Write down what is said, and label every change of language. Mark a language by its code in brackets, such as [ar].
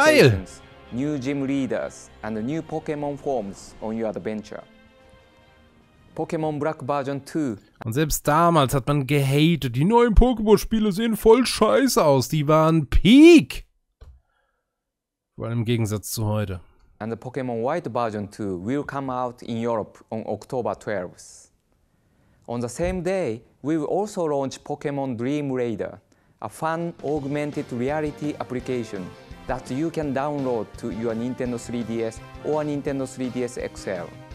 [en] locations, new gym leaders and new Pokémon forms on your adventure. Pokémon Black Version 2. [de] Und selbst damals hat man gehatet. Die neuen Pokémon-Spiele sehen voll scheiße aus. Die waren Peak. Vor allem im Gegensatz zu heute. [en] And the Pokémon White Version 2 will come out in Europe on October 12th. On the same day, we will also launch Pokémon Dream Raider, a fun augmented reality application that you can download to your Nintendo 3DS or Nintendo 3DS XL.